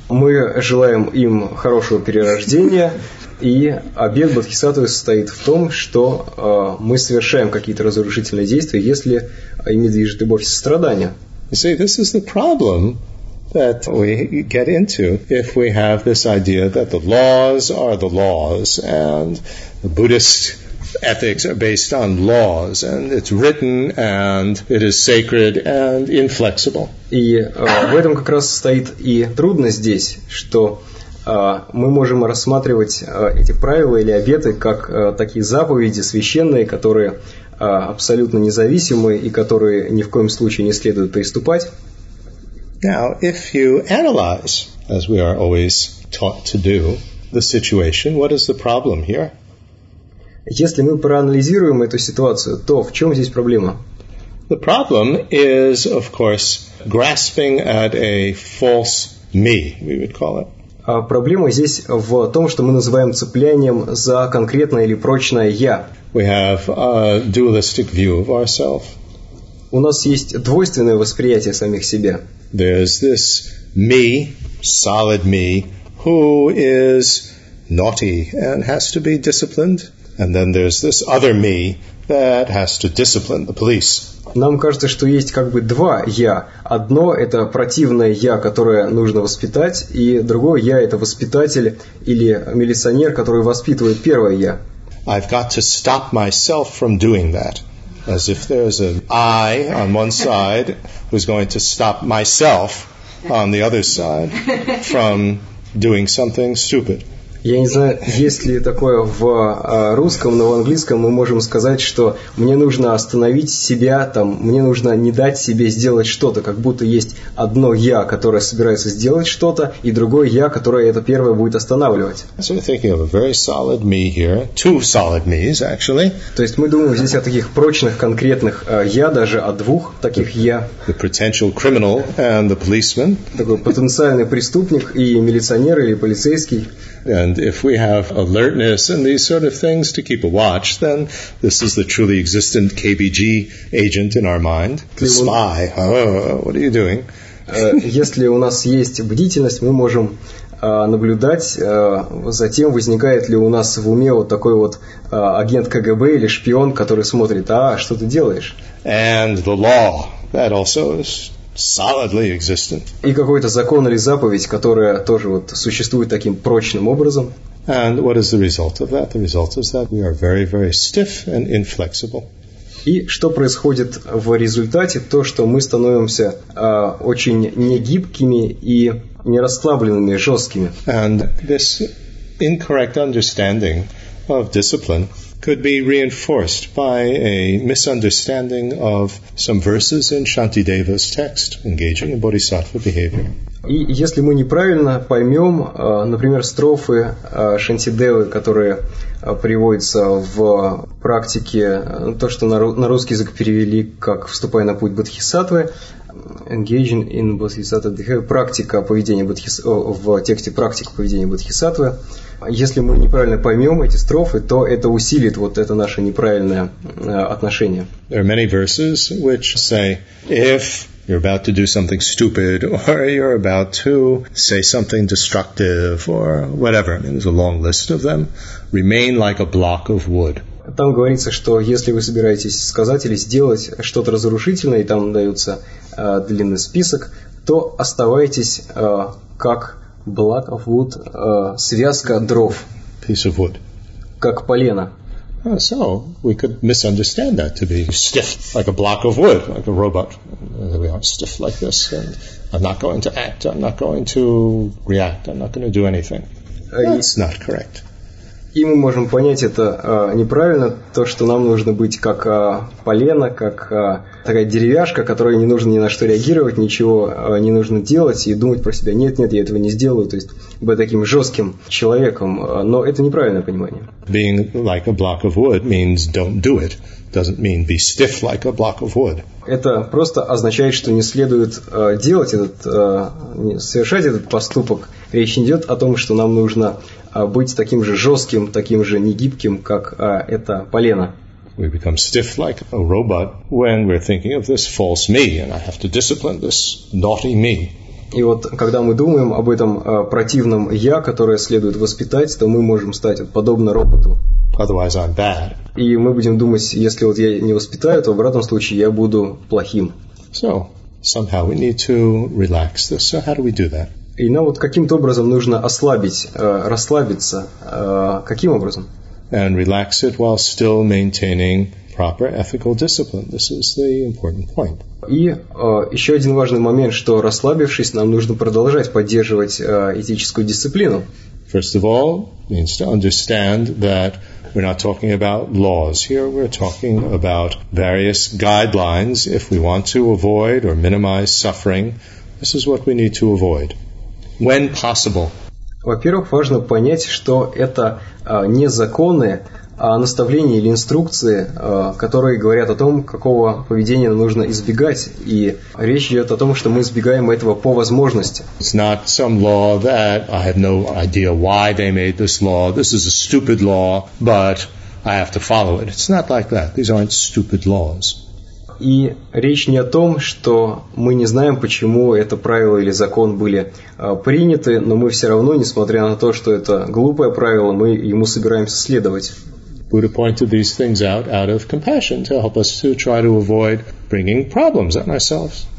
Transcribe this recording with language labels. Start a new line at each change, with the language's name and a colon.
Russian: Мы желаем им хорошего перерождения. И обет Бодхисаттвы состоит в том, что мы совершаем какие-то разрушительные действия, если ими движет любовь и сострадание.
English: You see, this is the problem that we get into if we have this idea that the laws are the laws, and the Buddhist ethics are based on laws, and it's written, and it is sacred and inflexible.
Russian: И в этом как раз состоит и трудность здесь, что мы можем рассматривать эти правила или обеты как такие заповеди священные, которые абсолютно независимы и которые ни в коем случае не следует приступать.
English: Now, if you analyze, as we are always taught to do, the situation, what is the problem here?
Russian: Если мы проанализируем эту ситуацию, то в чем здесь проблема?
English: The problem is, of course, grasping at a false me, we would call it.
Russian: Проблема здесь в том, что мы называем цеплянием за конкретное или прочное «я».
English: We have a dualistic view of ourself.
Russian: У нас есть двойственное восприятие самих себя.
English: There's this me, solid me, who is naughty and has to be disciplined. And then there's this other me that has to discipline the police.
Russian: Нам кажется, что есть как бы два «я». Одно – это противное «я», которое нужно воспитать, и другое «я» – это воспитатель или милиционер, который воспитывает первое «я».
English: I've got to stop myself from doing that. As if there's an I on one side who's going to stop myself on the other side from doing something stupid.
Russian: Я не знаю, есть ли такое в русском, но в английском мы можем сказать, что мне нужно остановить себя, там, мне нужно не дать себе сделать что-то, как будто есть одно «я», которое собирается сделать что-то, и другое «я», которое это первое будет останавливать.
English: So we're thinking of a very solid me here. Two solid me's, actually.
Russian: То есть мы думаем здесь о таких прочных, конкретных «я», даже о двух таких «я».
English: The potential criminal and the policeman.
Russian: Такой потенциальный преступник и милиционер или полицейский.
English: And if we have alertness and these sort of things to keep a watch, then this is the truly existent KBG agent in our mind, the spy. Oh, what are you doing?
Russian: Если у нас есть бдительность, мы можем наблюдать, затем возникает ли у нас в уме вот такой вот агент КГБ или шпион, который смотрит, а что ты делаешь?
English: And the law, that also is solidly existent.
Russian: И какой-то закон или заповедь, которая тоже вот существует таким прочным образом.
English: And what is the result of that? The result is that we are very, very stiff and inflexible.
Russian: И что происходит в результате? То, что мы становимся очень негибкими и нерасслабленными, жесткими.
English: And this incorrect understanding of discipline could be reinforced by a misunderstanding of some verses in Shantideva's text, engaging in bodhisattva behavior.
Russian: И если мы неправильно поймем, например, строфы Шантидевы, которые приводятся в практике, то, что на русский язык перевели как «вступай на путь бодхисаттвы»,
English: engaging in bodhisattva behavior,
Russian: практика поведения в тексте «практика поведения бодхисаттвы», если мы неправильно поймем эти строфы, то это усилит вот это наше неправильное отношение.
English: There are many verses which say, if you're about to do something stupid, or you're about to say something destructive, or whatever, I mean, there's a long list of them, remain like a block of wood.
Russian: Там говорится, что если вы собираетесь сказать или сделать что-то разрушительное, и там дается длинный список, то оставайтесь как
English: block of wood,
Russian: связка дров.
English: Piece of wood.
Russian: Как полено.
English: So, we could misunderstand that to be stiff, like a block of wood, like a robot. We are stiff like this, and I'm not going to act, I'm not going to react, I'm not going to do anything. That's not correct.
Russian: И мы можем понять это неправильно, то, что нам нужно быть как полено, как такая деревяшка, которой не нужно ни на что реагировать, ничего не нужно делать и думать про себя, нет-нет, я этого не сделаю, то есть быть таким жестким человеком, но это неправильное понимание.
English: Being like a block of wood means don't do it. Doesn't mean be stiff like a block of wood.
Russian: Это просто означает, что не следует делать этот, совершать этот поступок. Речь не идет о том, что нам нужно быть таким же жестким, таким же негибким, как это полено.
English: We become stiff like a robot when we're thinking of this false me, and I have to discipline this naughty me.
Russian: И вот когда мы думаем об этом противном я, которое следует воспитать, то мы можем стать подобно роботу.
English: Otherwise, I'm bad.
Russian: И мы будем думать, если вот я не воспитаю, то в обратном случае я буду плохим.
English: So, somehow we need to relax this. So how do we do that?
Russian: И нам вот каким-то образом нужно ослабить, расслабиться. Каким образом?
English: And relax it while still maintaining proper ethical discipline. This is the important point.
Russian: И еще один важный момент, что расслабившись, нам нужно продолжать поддерживать этическую дисциплину.
English: First of all, means to understand that we're not talking about laws here. We're talking about various guidelines. If we want to avoid or minimize suffering, this is what we need to avoid. When possible.
Russian: Во-первых, важно понять, что это не законы, а наставления или инструкции, которые говорят о том, какого поведения нужно избегать. И речь идет о том, что мы избегаем этого по возможности.
English: It's not some law that I have no idea why they made this law. This is a stupid law, but I have to follow it. It's not like that. These aren't stupid laws.
Russian: И речь не о том, что мы не знаем, почему это правило или закон были приняты, но мы все равно, несмотря на то, что это глупое правило, мы ему собираемся следовать.
English: Buddha pointed these things out of compassion to help us to try to avoid bringing problems on ourselves.